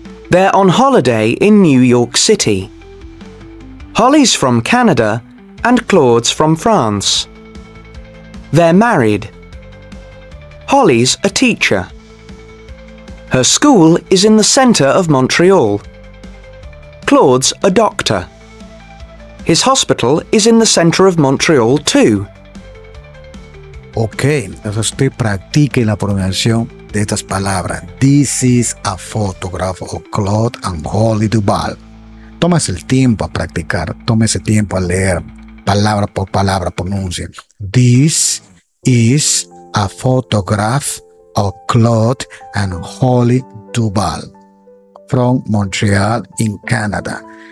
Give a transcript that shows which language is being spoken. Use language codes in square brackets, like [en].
[en] They're on holiday in New York City. Holly's from Canada and Claude's from France. They're married. Holly's a teacher. Her school is in the center of Montreal. Claude's a doctor. His hospital is in the center of Montreal too. [es] Okay, entonces usted practique la pronunciación de estas palabras. [en] This is a photograph of Claude and Holly Duval. [es] Tómese el tiempo a practicar. Tómese tiempo a leer palabra por palabra. Pronuncie. [en] This is a photograph of Claude and Holly Duval from Montreal in Canada.